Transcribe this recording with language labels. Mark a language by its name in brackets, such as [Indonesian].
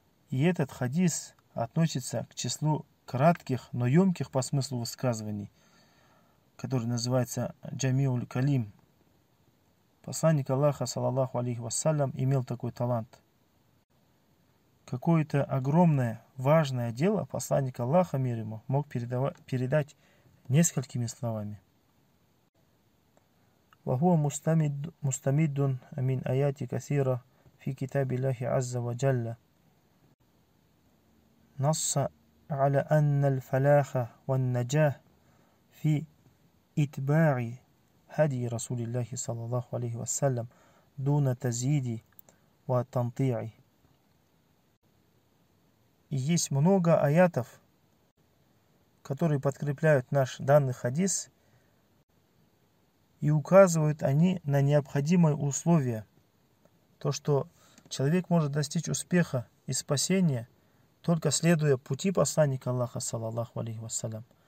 [Russian] И этот хадис относится к числу кратких, но емких по смыслу высказываний, который называется «Джами'уль калим». Посланник Аллаха, саллаллаху алейхи вассалям, имел такой талант. Какое-то огромное, важное дело посланник Аллаха, мир ему, мог передать несколькими словами. [Arabic] وهو مستمد من آيات كثيرة في كتاب الله عز وجل، نص على أن الفلاح والنجاح في اتباع هدي رسول الله صلى الله عليه وسلم دون تزييد وتنطيع. [Russian] Есть много аятов, которые подкрепляют наш данный хадис и указывают они на необходимые условия, то, что человек может достичь успеха и спасения, только следуя пути посланника Аллаха, саллаллаху алейхи вассалям.